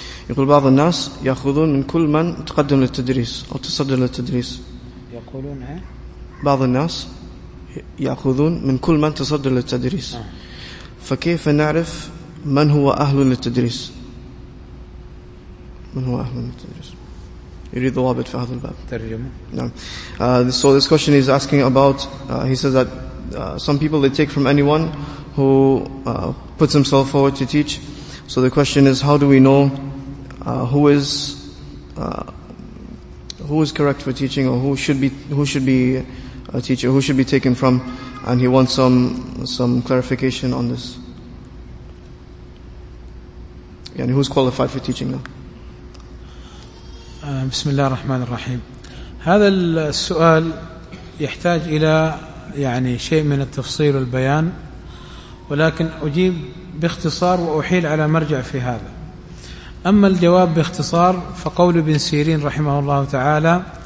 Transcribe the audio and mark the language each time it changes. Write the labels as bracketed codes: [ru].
[ar] يقول بعض الناس يأخذون من كل من تقدم للتدريس أو تصدر للتدريس. يقولون بعض الناس يأخذون من كل من تصدر للتدريس، فكيف نعرف من هو أهل للتدريس؟ من هو أهل للتدريس؟ يريد ضوابط في هذا الباب. ترجمة. نعم. [en] So this question is asking about. He says that some people they take from anyone who puts himself forward to teach. So the question is, how do we know who is correct for teaching, or who should be a teacher, who should be taken from? And he wants some clarification on this. Yani who's qualified for teaching now? [ar] بسم الله الرحمن الرحيم. هذا السؤال يحتاج إلى يعني شيء من التفصيل والبيان، ولكن أجيب باختصار وأحيل على مرجع في هذا. أما الجواب باختصار فقول ابن سيرين رحمه الله تعالى